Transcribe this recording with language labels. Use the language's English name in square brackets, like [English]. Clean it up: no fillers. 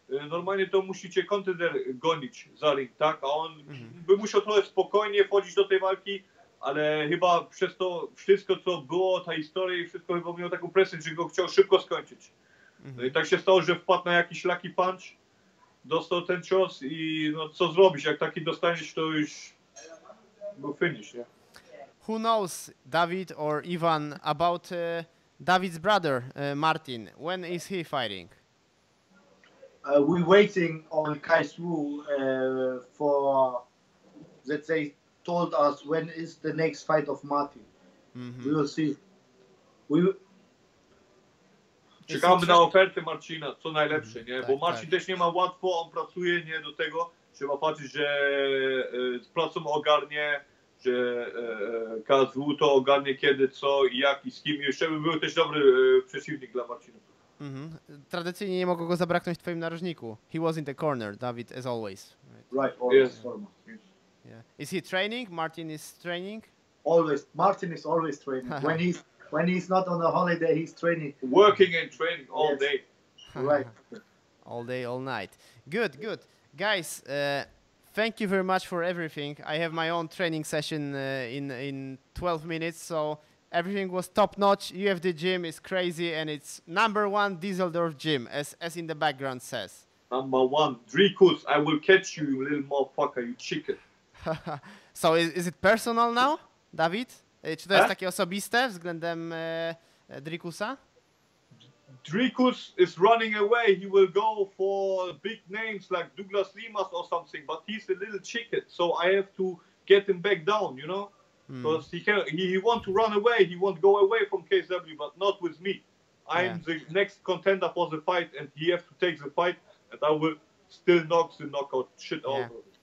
[Polish] Normalnie to musicie kontender gonić za ring, tak? A on by musiał trochę spokojnie wchodzić do tej walki, ale chyba przez to wszystko, co było, ta historia i wszystko chyba miał taką presję, że go chciał szybko skończyć. No i tak się stało, że wpadł na jakiś lucky punch, dostał ten cios i no co zrobić? Jak taki dostaniesz, to już był finish, nie? [English] Who knows, David or Ivan, about... David's brother, Martin, when is he fighting? We're waiting on Kai Su for, let's say, told us when is the next fight of Martin. Mm-hmm. We will see. [Polish] Czekamy na ofertę Marcina, co najlepsze, nie? Bo Marcin też nie ma łatwo, on pracuje, nie? Do tego trzeba patrzeć, że z pracą ogarnie. Że KSW to ogarnie kiedy, co i jak i z kim. Jeszcze by był też dobry przeciwnik dla Marcina. Mm-hmm. Tradycyjnie nie mogę go zabraknąć w twoim narożniku. [English] He was in the corner, David, as always. Right, always. Right, yes. Yeah. Is he training? Martin is training? Always. Martin is always training. when he's not on a holiday, he's training. Working and training all day. Right. All day, all night. Good. Guys, thank you very much for everything. I have my own training session in 12 minutes, so everything was top-notch. UFD gym is crazy, and it's number one Düsseldorf gym, as in the background says. Number one. Drikus, I will catch you, you little motherfucker, you chicken. So is it personal now, David? [Polish] Czy to jest takie osobiste względem Drikusa? [English] Drikus is running away. He will go for big names like Douglas Limas or something, but he's a little chicken, so I have to get him back down, you know? Because he want to run away. He won't go away from KSW, but not with me. I'm the next contender for the fight, and he has to take the fight, and I will still knock the knockout shit out of him.